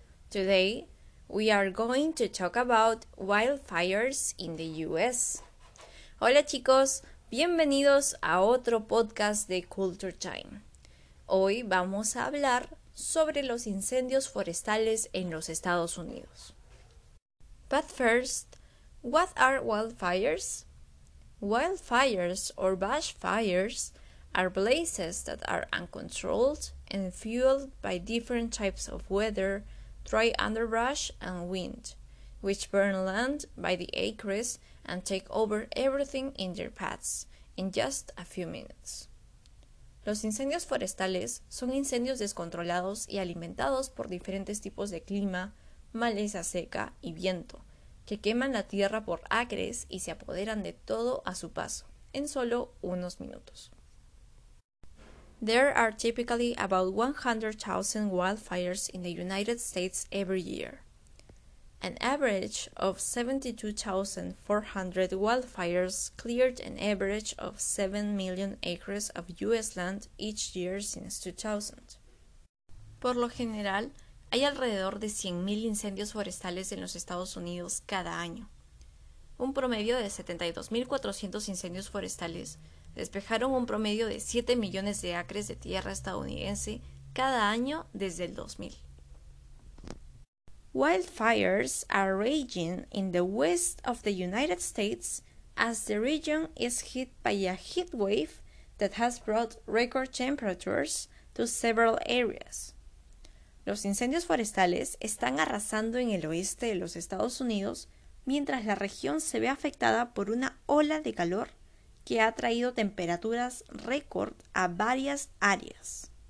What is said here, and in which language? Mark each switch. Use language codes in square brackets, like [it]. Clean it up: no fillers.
[en] Today, we are going to talk about wildfires in the US. [es] Hola chicos, bienvenidos a otro podcast de Culture Time. Hoy vamos a hablar sobre los incendios forestales en los Estados Unidos. [en] But first, what are wildfires? Wildfires or bush fires are blazes that are uncontrolled and fueled by different types of weather, dry underbrush and wind, which burn land by the acres and take over everything in their paths in just a few minutes. [es] Los incendios forestales son incendios descontrolados y alimentados por diferentes tipos de clima, maleza seca y viento, que queman la tierra por acres y se apoderan de todo a su paso, en solo unos minutos. [en] There are typically about 100,000 wildfires in the United States every year. An average of 72,400 wildfires cleared an average of 7 million acres of U.S. land each year since 2000. [es] Por lo general, hay alrededor de 100,000 incendios forestales en los Estados Unidos cada año. Un promedio de 72,400 incendios forestales despejaron un promedio de 7 millones de acres de tierra estadounidense cada año desde el 2000. [en] Wildfires are raging in the west of the United States as the region is hit by a heat wave that has brought record temperatures to several areas. [es] Los incendios forestales están arrasando en el oeste de los Estados Unidos mientras la región se ve afectada por una ola de calor que ha traído temperaturas récord a varias áreas.